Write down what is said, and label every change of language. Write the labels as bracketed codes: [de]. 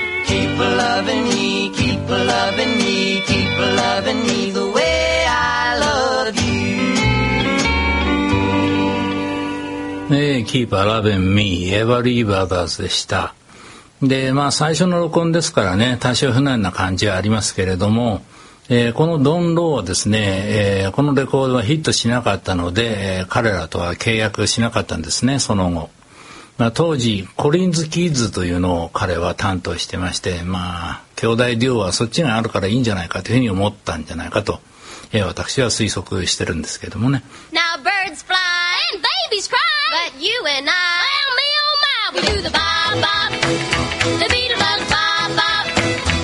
[en] Keep loving me, keep loving me, keep loving me the way I love you. Hey, keep loving me, Everly Brothers [ja] でした。で、まあ最初の録音ですからね、多少不慣れな感じはありますけれども、このドン・ローはですね、このレコードはヒットしなかったので、彼らとは契約しなかったんですね、その後。まあ、当時コリンズ・キーズというのを彼は担当してまして、まあ兄弟デュオはそっちがあるからいいんじゃないかというふうに思ったんじゃないかと、私は推測してるんですけどもね。 [en] Now birds fly and babies cry, but you and I, well me oh my, we do the bop bop, the beat of love.